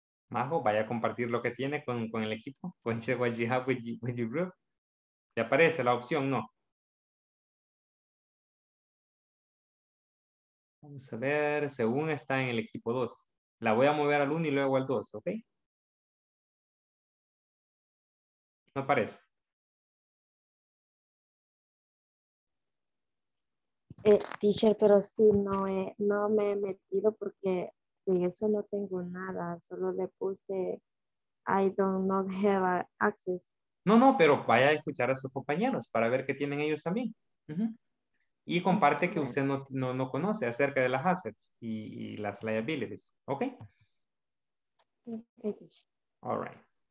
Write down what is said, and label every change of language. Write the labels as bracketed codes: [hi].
[es] Majo, vaya a compartir lo que tiene con el equipo. Go and share what you have with your group. ¿Te aparece la opción? No. Vamos a ver, según está en el equipo 2. La voy a mover al 1 y luego al 2, ¿ok? No aparece. Teacher, pero sí, no me he metido porque en eso no tengo nada. Solo le puse, [en] I don't not have access. [es] No, pero vaya a escuchar a sus compañeros para ver qué tienen ellos también. Uh-huh. Y comparte que usted no conoce acerca de las assets y las liabilities. ¿Ok? [en] Okay, teacher. All right.